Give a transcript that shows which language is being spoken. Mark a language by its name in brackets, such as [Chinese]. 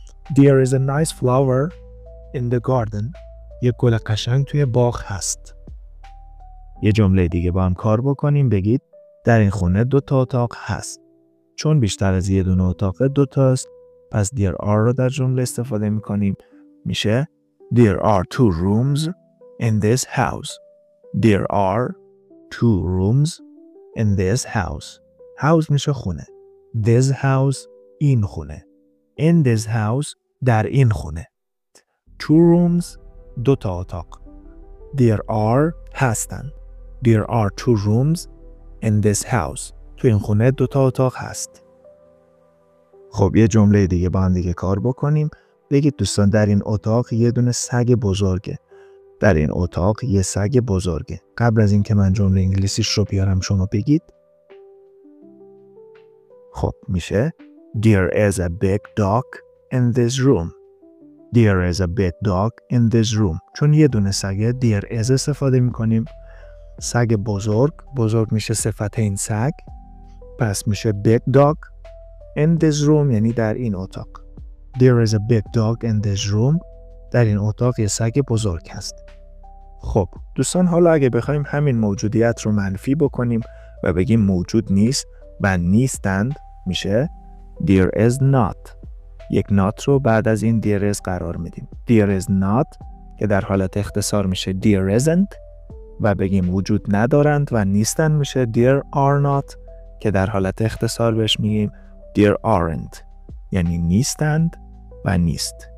[English] There is a nice flower in the garden. [Persian] یک گل قشنگ توی باغ هست. یه جمله دیگه با هم کار بکنیم. بگید در این خونه دو تا اتاق هست. چون بیشتر از یه دونه اتاق دو تا است، پس there are رو در جمله استفاده میکنیم. میشه [English] there are two rooms in this house. There are two rooms in this house. House [Persian] میشه خونه. [English] This house [Persian] این خونه. [English] In this house [Persian] در این خونه. [English] Two rooms [Persian] دو تا اتاق. [English] There are [Persian] هستن. [English] There are two rooms in this house. [Persian] تو این خونه دو تا اتاق هست. خب یه جمله دیگه با هم دیگه کار بکنیم. بگید دوستان در این اتاق یه دونه سگ بزرگه. در این اتاق یه سگ بزرگه. قبل از این که من جمله انگلیسیش رو بیارم شما بگید. خب میشه [English] There is a big dog in this room. There is a big dog in this room. [Persian] چون یه دونه سگه، there is استفاده میکنیم. سگ بزرگ، بزرگ میشه صفت این سگ. پس میشه [English] big dog in this room [Persian] یعنی در این اتاق. [English] There is a big dog in this room. [Persian] در این اتاق یه سگ بزرگ هست. خب دوستان، حالا اگه بخوایم همین موجودیت رو منفی بکنیم و بگیم موجود نیست و نیستند، میشه there is not. یک not رو بعد از این there is قرار میدیم. There is not که در حالت اختصار میشه there isn't و بگیم وجود ندارند و نیستن میشه there are not که در حالت اختصار بهش میگیم there aren't یعنی نیستند و نیست.